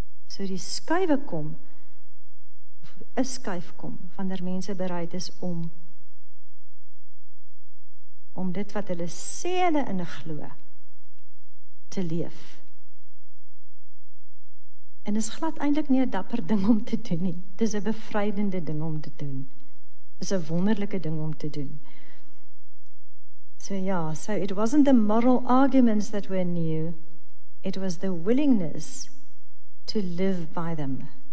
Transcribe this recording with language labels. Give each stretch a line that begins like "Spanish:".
Afrikaans: So die skuiwe kom, of een skuif kom, wanneer mense bereid is om dit wat hulle sê hulle in glo, te leef. En is glad eintlik nie 'n dapper ding om te doen nie. Dit is 'n bevrydende ding om te doen. Is een wonderlijke ding om te doen.
English: So it wasn't the moral arguments that were new, it was the willingness to live by them.